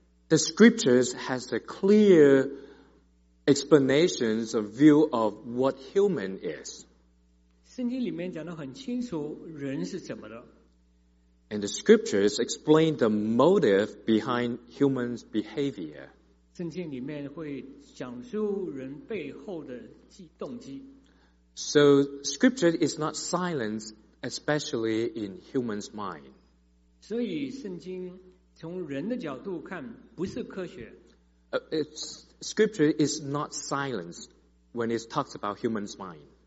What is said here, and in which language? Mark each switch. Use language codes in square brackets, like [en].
[en] the scriptures has a clear explanations of view of what human is. [zh] 圣经里面讲得很清楚人是怎么的。 [en] And the scriptures explain the motive behind human's behavior. [zh] 圣经里面会讲述人背后的动机。 [en] So scripture is not silent, especially in human's mind. [zh] 所以圣经从人的角度看不是科学。 [en] Scripture is not silence when it talks about human's mind.